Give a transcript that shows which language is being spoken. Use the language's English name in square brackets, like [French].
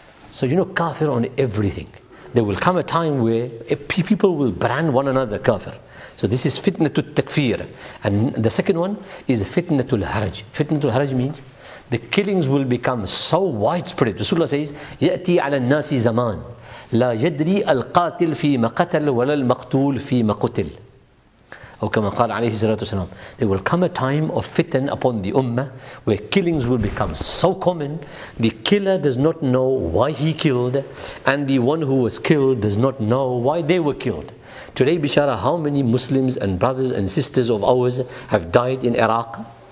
[English] So you know, kafir on everything. There will come a time where people will brand one another kafir. So this is fitnatul takfir. And the second one is fitnatul haraj. Fitnatul haraj means the killings will become so widespread. Rasulullah says, [Arabic] يَأْتِي عَلَى النَّاسِ زَمَانٍ لَا يَدْرِي الْقَاتِلْ فِي مَقَتَلْ وَلَا الْمَقْتُولْ فِي مَقُتِلْ. Or كَمَا قَالَ عَلَيْهِ سَلَاتُ وَسَلَامُ. [English] There will come a time of fitna upon the ummah where killings will become so common, the killer does not know why he killed, and the one who was killed does not know why they were killed. Today, Bishara, how many Muslims and brothers and sisters of ours have died in Iraq?